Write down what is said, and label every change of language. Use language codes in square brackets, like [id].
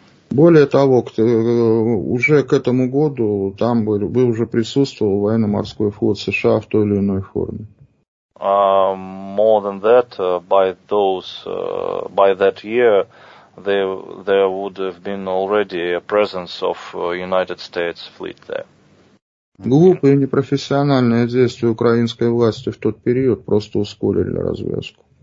[ru] Более того, уже к этому году там бы уже присутствовал военно-морской флот США в той или иной форме. [en] More than that, by that year, there would have been already a presence of United States fleet there. [ru] Глупые и непрофессиональные действия украинской власти в тот период просто ускорили развязку.